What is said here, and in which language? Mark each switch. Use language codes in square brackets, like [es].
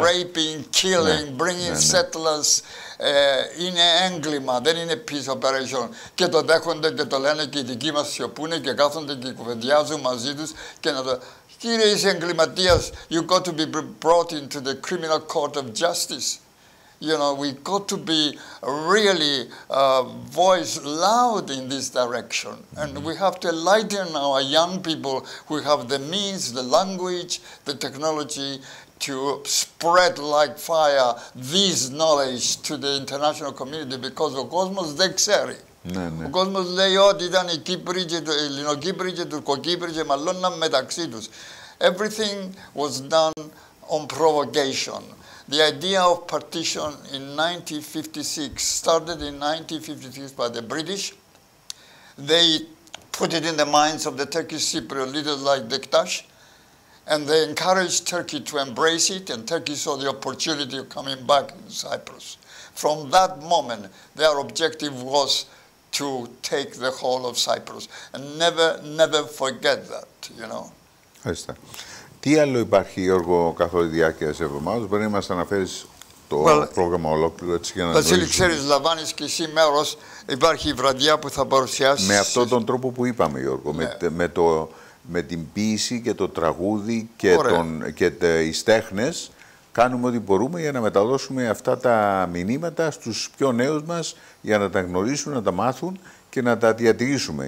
[en] raping, killing, [el] ναι, [en] bringing [el] ναι, ναι. [en] settlers. [el] Είναι έγκλημα, δεν είναι [en] peace operation. [el] Και το δέχονται και το λένε και οι δικοί μας σιωπούνε και κάθονται και κουβεντιάζουν μαζί τους και να το... Κύριε, είσαι εγκληματίας, [en] you got to be brought into the criminal court of justice. You know, we got to be really voice loud in this direction. And mm-hmm. we have to enlighten our young people who have the means, the language, the technology to spread like fire this knowledge to the international community because [el] ο κόσμος δεν ξέρει. Ναι, ναι. Ο κόσμος λέει ότι ήταν οι Κύπροι και οι Ελληνοκύπροι και οι Τουρκοκύπροι και μαλώναν μεταξύ τους. [en] Everything was done on provocation. The idea of partition in 1956 started in 1956 by the British. They put it in the minds of the Turkish Cypriot leaders like Dektash, and they encouraged Turkey to embrace it, and Turkey saw the opportunity of coming back in Cyprus. From that moment, their objective was to take the whole of Cyprus. And never, never forget that, you know. [el] Τι άλλο υπάρχει, Γιώργο, καθόλου τη διάρκεια τη εβδομάδα? Μπορεί να μας αναφέρεις το πρόγραμμα ολόκληρο, έτσι για να γνωρίζουμε. Βασίλη, ξέρεις, λαμβάνεις και εσύ μέρος. Υπάρχει η βραδιά που θα παρουσιάσεις. Με αυτόν τον τρόπο που είπαμε, Γιώργο. Ναι. Με την ποίηση και το τραγούδι και, τις τέχνες, κάνουμε ό,τι μπορούμε για να μεταδώσουμε αυτά τα μηνύματα στους πιο νέους μας, για να τα γνωρίσουν, να τα μάθουν και να τα διατηρήσουμε.